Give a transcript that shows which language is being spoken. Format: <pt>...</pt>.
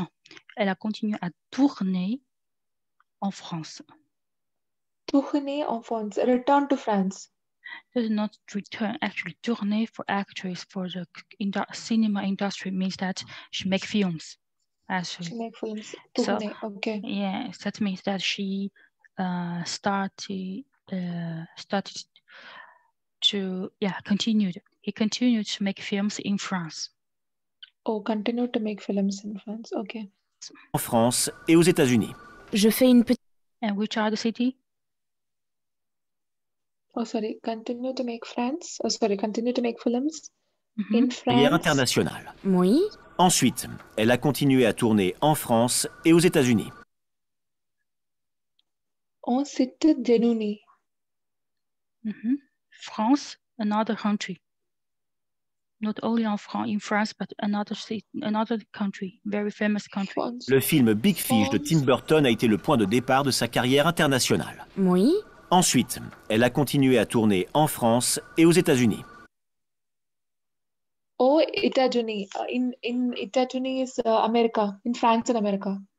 <fr>Non, elle a continué à tourner en France. Tourner en France.</fr> <en>Return to France. Does not return, actually tournée for actress for the cinema industry means that she makes films, actually. She makes films, tournée, so, okay. Yes, that means that she continued to make films in France. Oh, continued to make films in France, okay.</en> <fr>En France et aux États-Unis. Je fais une petite...</fr> <en>And which are the cities? Oh, sorry, continue to make films mm-hmm. in France.</en> <fr>Carrière internationale. Oui. Ensuite, elle a continué à tourner en France et aux États-Unis. Ensuite, Denouni.</fr> <en>Mm-hmm. France, another country. Not only in France, but another country, very famous country. France.</en> <fr>Le film Big Fish France. De Tim Burton a été le point de départ de sa carrière internationale. Oui. Ensuite, elle a continué à tourner en France et aux États-Unis.</fr> <en>Oh, États-Unis. In États-Unis, is America. In France and America.</en>